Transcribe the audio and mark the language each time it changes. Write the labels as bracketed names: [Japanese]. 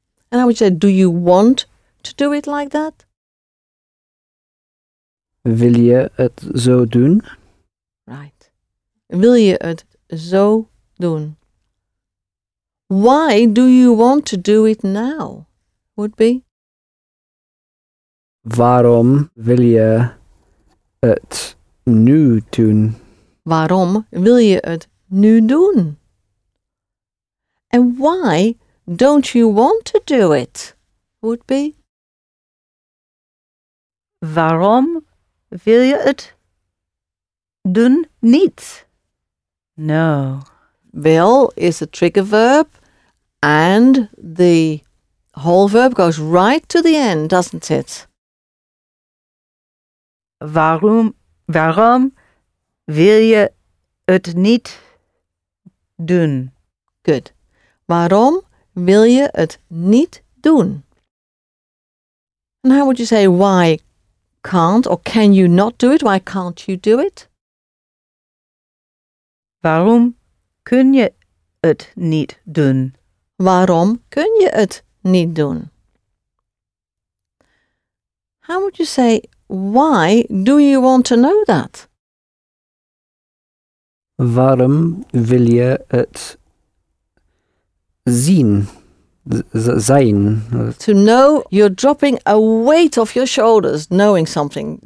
[English] And I would say, do you want to do it like that? [Dutch] Wil je het zo doen? [English] Right. [Dutch] Wil je het zo doen? [English] Why do you want to do it now? Would be? [Dutch] Waarom wil je het nu doen? Waarom wil je het nu doen? [English] And why don't you want to do it? Would be? [Dutch] Waarom wil je het doen niet? [English] No. Wil is a trigger verb and the whole verb goes right to the end, doesn't it? [Dutch] Waarom wil je het niet doen? [English] Good. [Dutch] Waarom wil je het niet doen? [English] And how would you say, why can't or can you not do it? Why can't you do it? [Dutch] Waarom kun je het niet doen? Waarom kun je het niet doen? [English] How would you say, why do you want to know that? [Dutch] Waarom wil je het zien, zijn. [English] To know, you're dropping a weight off your shoulders, knowing something.